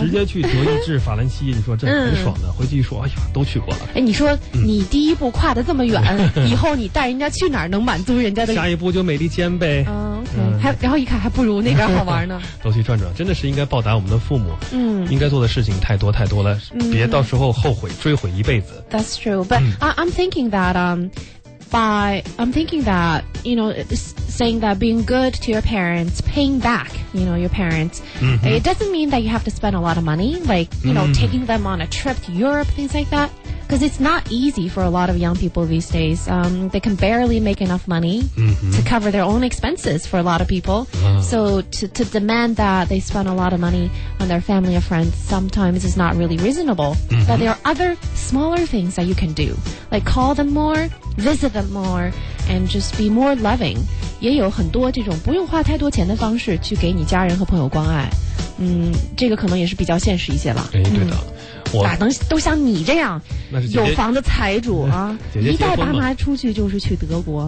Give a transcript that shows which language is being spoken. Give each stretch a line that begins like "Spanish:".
Chinese: 直接去德意志法兰西你说这很爽的回去一说哎呀都去过了哎你说你第一步跨得这么远以后你带人家去哪儿能满足人家的下一步就美利坚呗然后一看还不如那边好玩呢都去转转真的是应该报答我们的父母应该做的事情太多太多了别到时候后悔追悔一辈子
English: That's true but I'm thinking that I'm thinking that you know saying that being good to your parents paying back you know your parents it doesn't mean that you have to spend a lot of money like you know taking them on a trip to Europe things like thatBecause it's not easy for a lot of young people these days. They can barely make enough money to cover their own expenses for a lot of people. So to demand that they spend a lot of money on their family or friends sometimes is not really reasonable. But there are other smaller things that you can do. Like call them more, visit them more, and just be more loving.
Chinese: 也有很多这种不用花太多钱的方式去给你家人和朋友关爱。这个可能也是比较现实一些吧。对的。哪能都像你这样那是姐姐有房的财主啊姐姐一带爸妈出去就是去德国